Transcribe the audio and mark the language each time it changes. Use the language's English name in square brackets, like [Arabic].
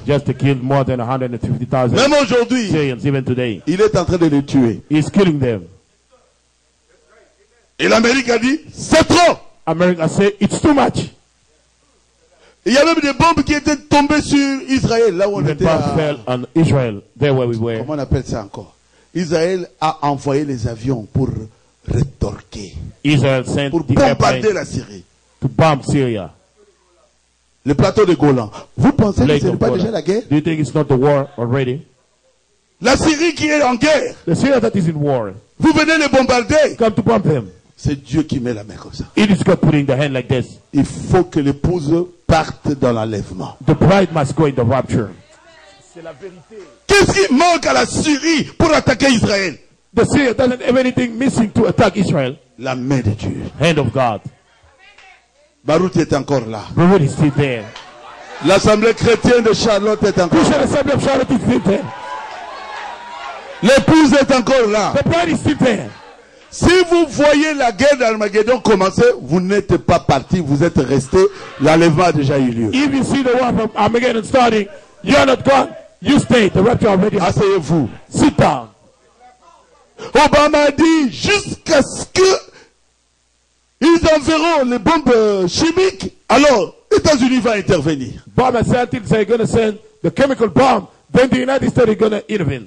[English] Just to kill more than 150,000. [French] Même aujourd'hui. [English] Syrians, even today. [French] Il est en train de les tuer. [English] He's killing them. [French] Et l'Amérique a dit, c'est trop. [English] America said, it's too much. [French] Il y a même des bombes qui étaient tombées sur Israël, là où on [English] even [French] était. [English] Bombs fell on Israel, there where we were. [French] Comment on appelle ça encore? Israël a envoyé les avions pour rétorquer. [English] Israel sent [French] pour bombarder la Syrie. [English] To bomb Syria. [French] Le plateau de Golan. Vous pensez [English] Lake [French] que ce n'est pas [English] Golan. [French] Déjà la guerre? [English] Do you think it's not the war already? [French] La Syrie qui est en guerre. [English] The Syria that is in war. [French] Vous venez les bombarder. [English] Come to bomb them. [French] C'est Dieu qui met la main comme ça. [English] It is God putting the hand like this. [French] Il faut que l'épouse parte dans l'enlèvement. [English] The bride must go in the rapture. [French] C'est la vérité. Qu'est-ce qui manque à la Syrie pour attaquer Israël? [English] The Syria doesn't have anything missing to attack Israel. [French] La main de Dieu. [English] Hand of God. [French] Baruch est encore là. [English] Baruch is still there. [French] L'assemblée chrétienne de Charlotte est encore là. L'assemblée de Charlotte est [English] still there. [French] L'épouse est encore là. [English] The bride is still there. [French] Si vous voyez la guerre d'Armageddon commencer, vous n'êtes pas parti, vous êtes resté. L'enlèvement a déjà eu lieu. [English] If you see the war from Armageddon starting, you're not gone. You stay. The rapture already happened. [French] Asseyez-vous. [English] Sit down. [French] Obama dit jusqu'à ce que ils enverront les bombes chimiques, alors États-Unis va intervenir. [English] Obama said until they're going to send the chemical bomb, then the United States is going to intervene.